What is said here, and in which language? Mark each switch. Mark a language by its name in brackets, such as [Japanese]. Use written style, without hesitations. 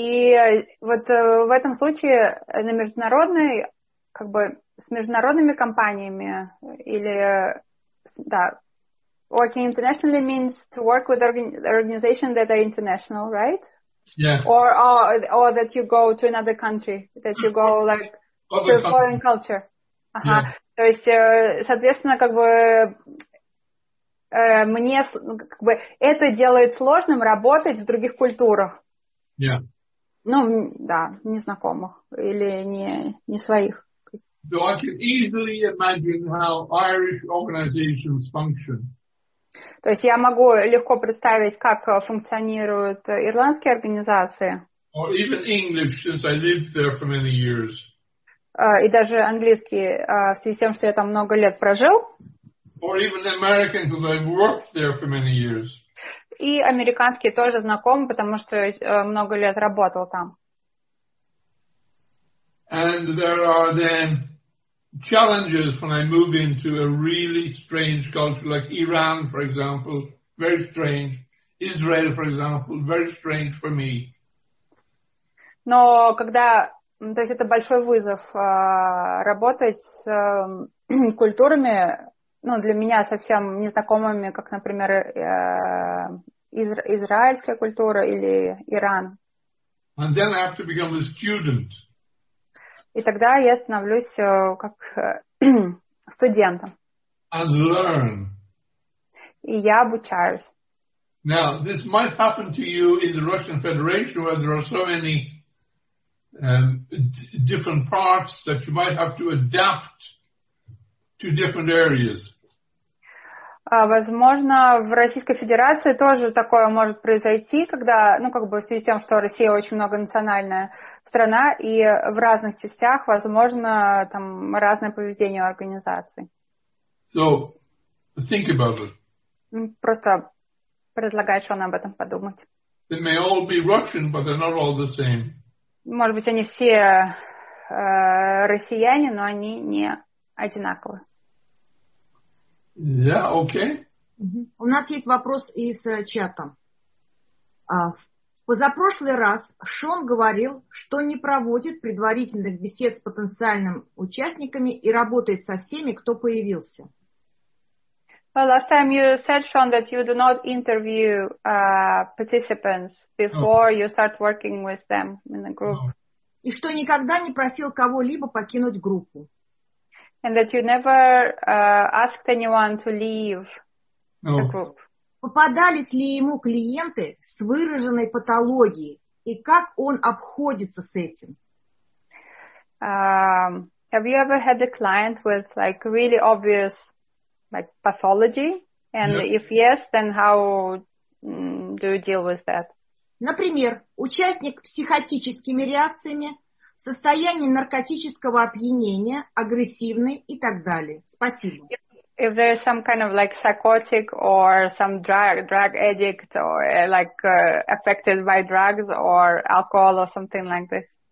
[Russian] В этом случае на международной, как бы с международными компаниями или да. [English] Working internationally means to work with organizations that are international, right? Yes. Or that you go to another country, that you go like other to a foreign culture. Ага. Yes. [Russian] То есть, соответственно, как бы мне как бы это делает сложным работать в других культурах. [English] Yeah. [Russian] Незнакомых или не своих. [English] So I can easily imagine how Irish organizations function. [Russian] То есть я могу легко представить, как функционируют ирландские организации. [English] Or even English, since I lived there for many years. [Russian] И даже английский, в связи с тем, что я там много лет прожил. [English] Or even American, because I've worked there for many years. [Russian] И американский тоже знаком, потому что много лет работал там. [English] And there are then challenges when I move into a really strange culture, like Iran, for example, very strange. Israel, for example, very strange for me. [Russian] Но когда, то есть это большой вызов работать с культурами, для меня совсем незнакомыми, как, например, израильская культура или Иран. [English] And then I have to become a student. [Russian] И тогда я становлюсь как студентом. [English] And learn. [Russian] И я обучаюсь. [English] Now, this might happen to you in the Russian Federation, where there are so many different parts that you might have to adapt to different areas. [Russian] Возможно, в Российской Федерации тоже такое может произойти, когда, ну, как бы в связи с тем, что Россия очень многонациональная страна, и в разных частях, возможно, там разное поведение организаций. [English] So, think about it. [Russian] Просто предлагаю Шону об этом подумать. [English] They may all be Russian, but they're not all the same. [Russian] Может быть, они все россияне, но они не одинаковы. Да, yeah, окей. [English] Okay. [Russian] У нас есть вопрос из чата. Позапрошлый раз Шон говорил, что не проводит предварительных бесед с потенциальными участниками и работает со всеми, кто появился. Well, last time you said, Sean, that you do not interview participants before you start working with them in the group. И что никогда не просил кого-либо покинуть группу. And that you never asked anyone to leave the group. Попадались ли ему клиенты с выраженной патологией? И как он обходится с этим? [English] Have you ever had a client with like really obvious like pathology? And if yes, then how do you deal with that? [Russian] Например, участник с психотическими реакциями, в состоянии наркотического опьянения, агрессивный и так далее. Спасибо. [English] If there is some kind of like psychotic or some drug addict or like affected by drugs or alcohol or something like this.